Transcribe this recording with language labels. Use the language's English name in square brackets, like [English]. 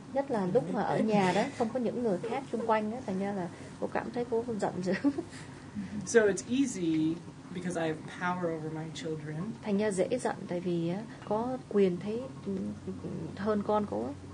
[Vietnamese] Nhất là lúc mà ở nhà đó, không có những người khác xung quanh á, thành ra là cô cảm thấy cô giận dữ. [English] So it's easy because I have power over my children. [Vietnamese] Thành ra dễ giận tại vì có quyền thế hơn con cô.